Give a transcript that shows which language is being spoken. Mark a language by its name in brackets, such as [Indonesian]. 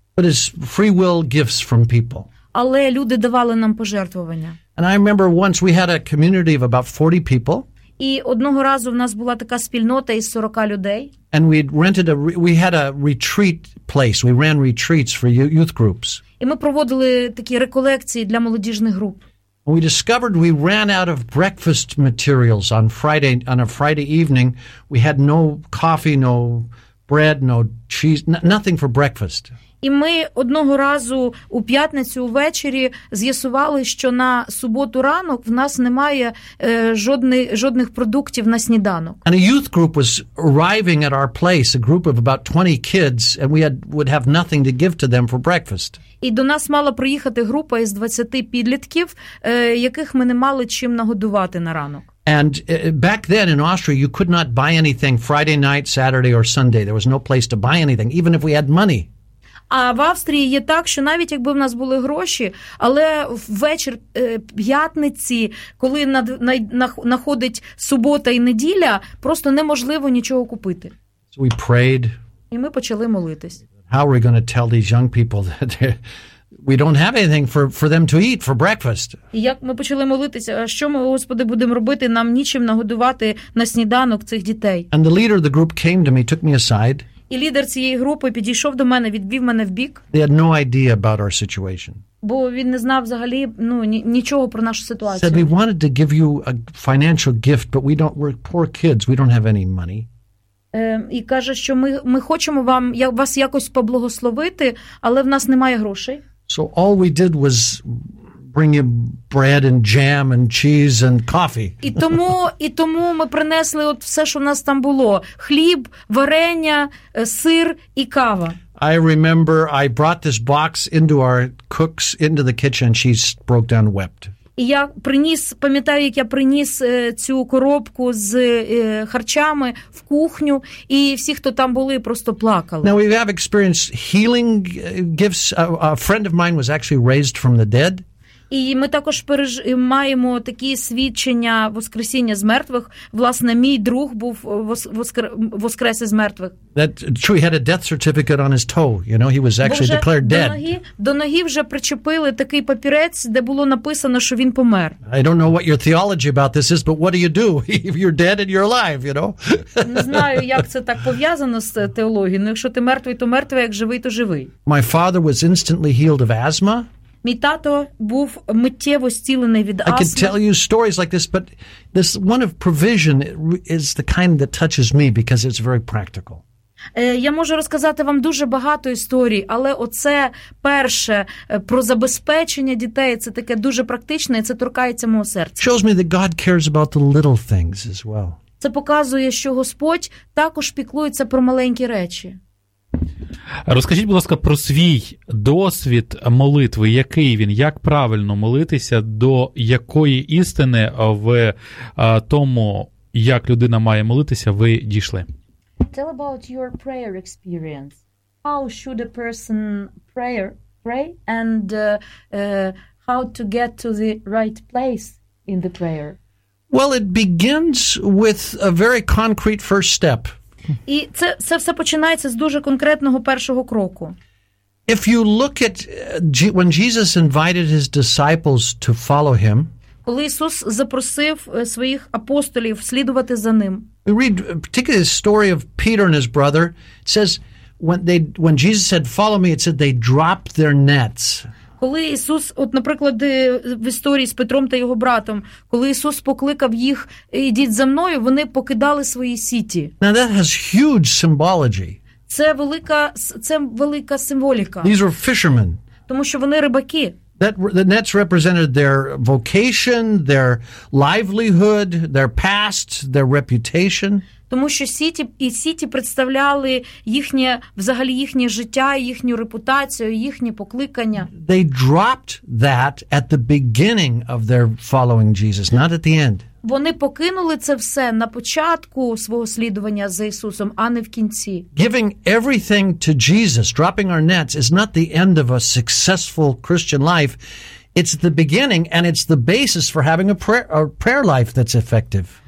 [English] But it's free will gifts from people. [Ukrainian] Але люди давали нам пожертвування. [English] And I remember once we had a community of about 40 people. [Ukrainian] І одного разу в нас була така спільнота із 40 людей. [English] And we had a retreat place. We ran retreats for youth groups. [Ukrainian] І ми проводили такі реколекції для молодіжних груп. [English] We discovered we ran out of breakfast materials on a Friday evening. We had no coffee, no bread, no cheese, nothing for breakfast. [Ukrainian] І ми одного разу у п'ятницю ввечері з'ясували, що на суботу ранок в нас немає жодних продуктів на сніданок. [English] And a youth group was arriving at our place, a group of about 20 kids, and we would have nothing to give to them for breakfast. [Ukrainian] І до нас мала приїхати група із 20 підлітків, яких ми не мали чим нагодувати на ранок. [English] And back then in Austria, you could not buy anything Friday night, Saturday or Sunday. There was no place to buy anything, even if we had money. [Ukrainian] А в Австрії є так, що навіть якби в нас були гроші, але ввечір п'ятниці, коли находить субота і неділя, просто неможливо нічого купити. [English] So we prayed. [Ukrainian] І ми почали молитись. [English] How are we going to tell these young people that we don't have anything for them to eat for breakfast? [Ukrainian] І як ми почали молитися, що ми, Господи, будемо робити, нам нічим нагодувати на сніданок цих дітей? [English] And the leader of the group came to me, took me aside. [Ukrainian] І лідер цієї групи підійшов до мене, відвів мене вбік. [English] They had no idea about our situation. [Ukrainian] Бо він не знав взагалі, нічого про нашу ситуацію. [English] Said we wanted to give you a financial gift, but we're poor kids, we don't have any money. [Ukrainian] І каже, що ми хочемо вас якось поблагословити, але в нас немає грошей. [English] So all we did was bring him bread and jam and cheese and coffee. [Ukrainian] І тому ми принесли от все, що в нас там було: хліб, варення, сир і кава. [English] I remember I brought this box into our cooks into the kitchen, she broke down and wept. [Ukrainian] І я приніс, пам'ятаю, як я приніс цю коробку з харчами в кухню, і всі, хто там були, просто плакали. [English] Now we have experienced healing gifts. A friend of mine was actually raised from the dead. [Ukrainian] І ми також маємо такі свідчення воскресіння з мертвих. Власне, мій друг був воскрес із мертвих. [English] That true, he had a death certificate on his toe, you know, he was actually declared dead. [Ukrainian] До ноги вже причепили такий папірець, де було написано, що він помер. [English] I don't know what your theology about this is, but what do you do if you're dead and you're alive, you know? [Ukrainian] Не знаю, як це так пов'язано з теологією, ну якщо ти мертвий, то мертвий, як живий, то живий. [English] My father was instantly healed of asthma. [Ukrainian] Мій тато був миттєво зцілений від астми. [English] I can tell you stories like this, but this one of provision is the kind that touches me because it's very practical. [Ukrainian] Я можу розказати вам дуже багато історій, але оце перше про забезпечення дітей, це таке дуже практичне, і це торкається мого серця. [English] Shows me that God cares about the little things as well. [Ukrainian] Це показує, що Господь також піклується про маленькі речі. Розкажіть, будь ласка, про свій досвід молитви, який він, як правильно молитися, до якої істини в тому, як людина має молитися, ви дійшли? [English] Tell about your prayer experience. How should a person pray and how to get to the right place in the prayer? Well, it begins with a very concrete first step. [Ukrainian] І це все починається з дуже конкретного першого кроку. [English] If you look at when Jesus invited his disciples to follow him, [Ukrainian] коли Ісус запросив своїх апостолів слідувати за ним. [English] We read particularly the story of Peter and his brother. It says when Jesus said follow me, it said they dropped their nets. [Ukrainian] Коли Ісус, от, наприклад, в історії з Петром та його братом, коли Ісус покликав їх, ідіть за мною, вони покидали свої сіті. [English] Now that has huge symbology. [Ukrainian] Це велика символіка. [English] These were fishermen. [Ukrainian] Тому що вони рибаки. [English] The nets represented their vocation, their livelihood, their past, their reputation. [Ukrainian] Тому що сіті представляли їхнє життя, їхню репутацію, їхнє покликання. [English] They dropped that at the beginning of their following Jesus, not at the end. [Ukrainian] Вони покинули це все на початку свого слідування за Ісусом, а не в кінці. [English] Giving everything to Jesus, dropping our nets, is not the end of a successful Christian life. It's the beginning and it's the basis for having a prayer life that's effective.